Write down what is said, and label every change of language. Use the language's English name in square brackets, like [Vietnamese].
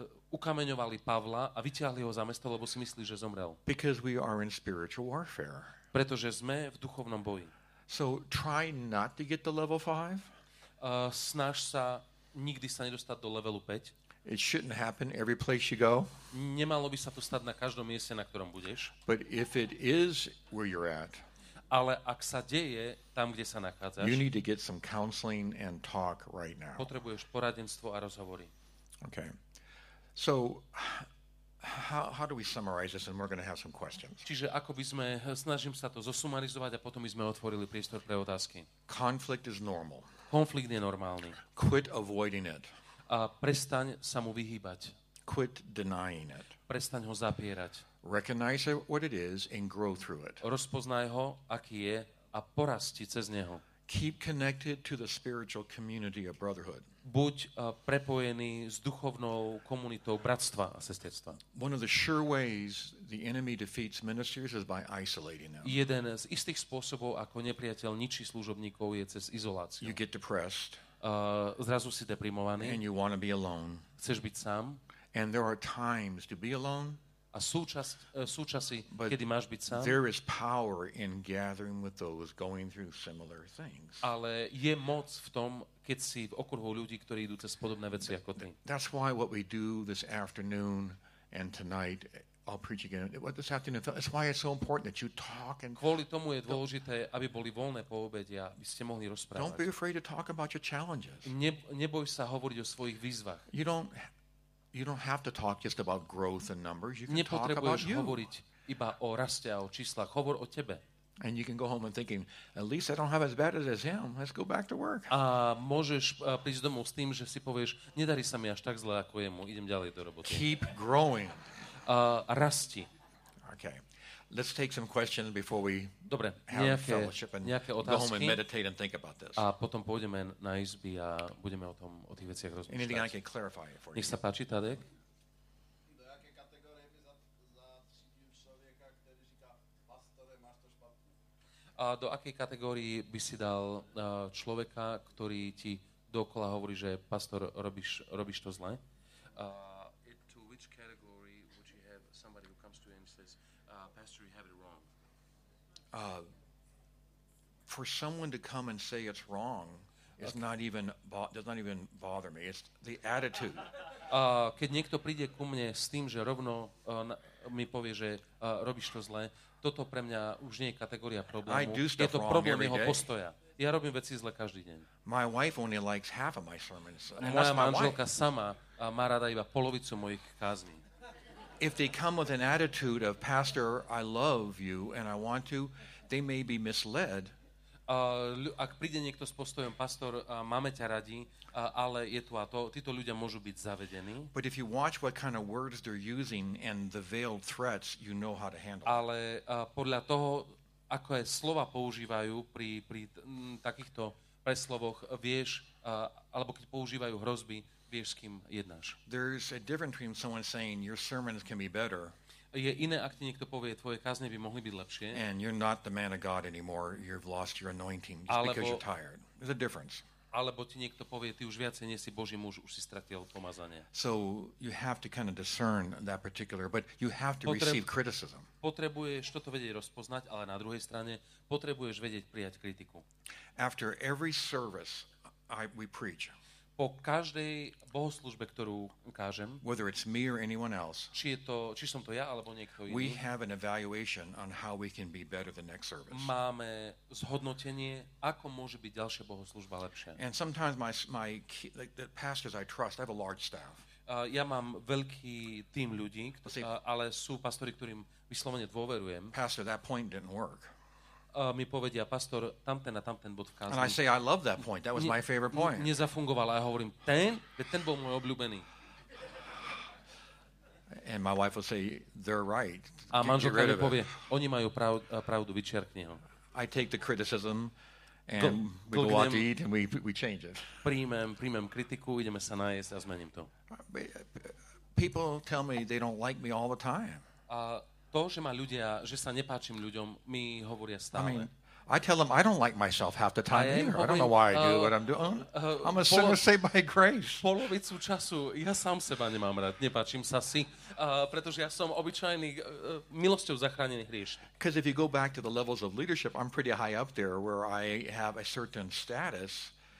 [Slovak] Ukameňovali Pavla a vyťahli ho za mesto, lebo si myslí, že zomrel. [English] Because we are in spiritual warfare. [Slovak] Pretože sme v duchovnom boji. [English] So try not to get to level 5. [Slovak] Snaž sa nikdy sa nedostať do levelu 5. [English] It shouldn't happen every place you go. [Slovak] Nemalo by sa to stať na každom mieste, na ktorom budeš. [English] But if it is where you're at. [Slovak] Ale ak sa deje tam, kde sa nachádzaš. [English] You need to get some counseling and talk right now. [Slovak] Potrebuješ poradenstvo a rozhovory. [English] Okay. So how do we summarize this, and we're going to have some questions. [Slovak] Čiže ako by sme, snažím sa to zosumarizovať a potom by sme otvorili priestor pre otázky. [English] Conflict is normal. [Slovak] Konflikt je normálny. [English] Quit avoiding it. [Slovak] A prestaň sa mu vyhýbať. [English] Quit denying it. [Slovak] Prestaň ho zapierať. [English] Recognize what it is and grow through it. [Slovak] Rozpoznaj ho, aký je, a porasti cez neho. [English] Keep connected to the spiritual community of brotherhood. [Slovak] Buď prepojený s duchovnou komunitou bratstva a sestierstva. [English] One of the sure ways the enemy defeats ministers is by isolating them. [Slovak] Jeden z istých spôsobov, ako nepriateľ ničí služobníkov, je cez izoláciu. [English] You get depressed. [Slovak] Zrazu si deprimovaný. [English] And you want to be alone. [Slovak] Chceš byť sám. [English] And there are times to be alone. [Slovak] A súčasy, kedy máš byť sám. [English] There is power in gathering with those going through similar things. [Slovak] Ale je moc v tom, keď si v okruhu ľudí, ktorí idú cez podobné veci ako ty. [English] That's why what we do this afternoon and tonight, I'll preach again. What this afternoon, that's why it's so important that you talk and [Slovak] kvôli tomu je dôležité, aby boli voľné po obede, aby ste mohli rozprávať. [English] Don't be afraid to talk about your challenges. [Slovak] Neboj sa hovoriť o svojich výzvach. [English] You don't have to talk just about growth and numbers. You can talk about you. [Slovak] Hovoriť iba o raste a o číslach. Hovor o tebe. [English] And you can go home and thinking, at least I don't have as bad as him. Let's go back to work. [Slovak] A môžeš prísť domov s tým, že si povieš, nedarí sa mi až tak zle ako jemu. Idem ďalej do roboty. [English] Keep growing. [Slovak] Rasti. [English] Okay. Let's take some questions before we [Slovak] dobre, [English] have [Slovak] nejaké, [English] fellowship and go home and meditate and think about this. [Slovak] A potom pôjdeme na izby a budeme o tom, o tých veciach rozmýšľať. [English] Anything I can clarify for you? [Slovak] Nech sa páči, Tadek. [Czech] Do jaké kategórie by zatriedil človeka, ktorý říká, pastore, máš to špatné? [Slovak] Do akej kategórii by si dal človeka, ktorý ti dookola hovorí, že pastor, robíš to zle? [English] To which category would you have somebody who comes to you and says, pastor, you have it wrong. For someone to come and say it's wrong is okay. does not even bother me. It's the attitude. [Slovak] Keď niekto príde ku mne s tým, že rovno mi povie, že robíš to zle, toto pre mňa už nie je kategória problému. Je to problém jeho postoja. Ja robím veci zle každý deň. [English] My wife only likes half of my sermons. [Slovak] Moja manželka sama má rada iba polovicu mojich kázní. [English] If they come with an attitude of pastor, I love you and I want to, they may be misled. [Slovak] Ak príde niekto s postojom pastor, máme ťa radi, ale je tu a to, títo ľudia môžu byť zavedení. [English] But if you watch what kind of words they're using and the veiled threats, you know how to handle. [Slovak] Ale podľa toho, ako je slova používajú pri takýchto preslovoch, vieš, alebo keď používajú hrozby, vieš, s kým jednáš. [English] There's a difference between someone saying your sermons can be better. [Slovak] Je iné, ak ti niekto povie, tvoje kázne by mohli byť lepšie. [English] And you're not the man of God anymore. You've lost your anointing just because you're tired. There's a difference. [Slovak] Alebo ti niekto povie, ty už viacej nie si Boží muž, už si stratil pomazanie. [English] So you have to kind of discern that particular, but you have to receive criticism. [Slovak] Potrebuješ toto vedieť rozpoznať, ale na druhej strane potrebuješ vedieť prijať kritiku. [English] After every service we preach. [Slovak] Po každej bohoslužbe, ktorú kážem, [English] whether it's me or anyone else, [Slovak] či som to ja alebo niekto iný, [English] we have an evaluation on how we can be better the next service. [Slovak] Máme zhodnotenie, ako môže byť ďalšia bohoslužba lepšia. [English] And sometimes my like the pastors I trust, I have a large staff. [Slovak] Ja mám veľký tím ľudí, ale sú pastori, ktorým vyslovene dôverujem. [English] Pastor, that point didn't work. [Slovak] Mi povedia, pastor, tamten a tamten bod v kázni. [English] And I say, I love that point. That was my favorite point. [Slovak] Nezafungoval. A ja hovorím, ten bol môj obľúbený. [English] And my wife will say, they're right. [Slovak] A manželka mi povie, oni majú pravdu, vyčerkni ho. [English] I take the criticism and we go out to eat and we change it. [Slovak] Príjmem kritiku, ideme sa najesť a zmením to. [English] People tell me they don't like me all the time. [Slovak] To, že ma ľudia, že sa nepáčim ľuďom, mi hovoria stále. [English] I mean, I tell them I don't like myself half the time either. I don't know why I do what I'm doing. I'm a sinner saved by grace. [Slovak] Polovicu času ja sám seba nemám rád, nepáčim sa si, pretože ja som obyčajný milosťou zachránený hriešnik. [English] Because if you go back to the levels of leadership, I'm pretty high up there where I have a certain status